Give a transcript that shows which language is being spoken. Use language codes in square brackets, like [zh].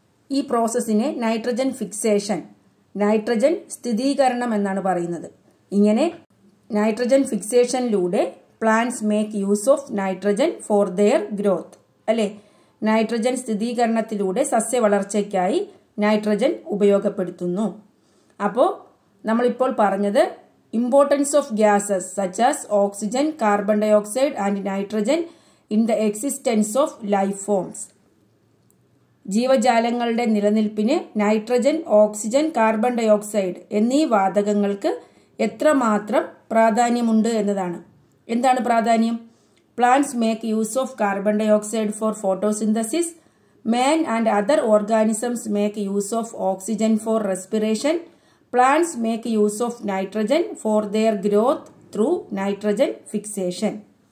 [ml] ഈ പ്രോസസ്സിനെ nitrogen fixation, nitrogen സ്ഥിതീകരണം എന്നാണ് പറയുന്നത്. ഇങ്ങനെ nitrogen ഫിക്സേഷനിലൂടെ [en] plants make use of nitrogen for their growth [ml] അല്ലേ. നൈട്രജൻ സ്ഥിതീകരണത്തിലൂടെ സസ്യ വളർച്ചയ്ക്കായി നൈട്രജൻ ഉപയോഗപ്പെടുത്തുന്നു. [en] അപ്പോൾ നമ്മളിപ്പോൾ പറഞ്ഞത് importance of gases such as oxygen, carbon dioxide and nitrogen in the existence of life forms. [ml] ജീവജാലങ്ങളുടെ നിലനിൽപ്പിന് നൈട്രജൻ, ഓക്സിജൻ, കാർബൺ ഡയോക്സൈഡ് എന്നീ വാതകങ്ങൾക്ക് എത്രമാത്രം പ്രാധാന്യമുണ്ട് എന്നതാണ്. എന്താണ് പ്രാധാന്യം? [en] Plants make use of carbon dioxide for photosynthesis, man and other organisms make use of oxygen for respiration, plants make use of nitrogen for their growth through nitrogen fixation.